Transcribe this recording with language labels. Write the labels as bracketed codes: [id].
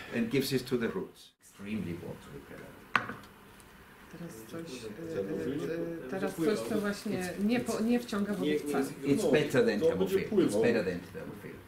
[en] And gives it to the roots. Extremely water repellent. [pl] Teraz coś, co właśnie nie wciąga wody wcale. [en] It's better than thermofil. It's better than thermofil.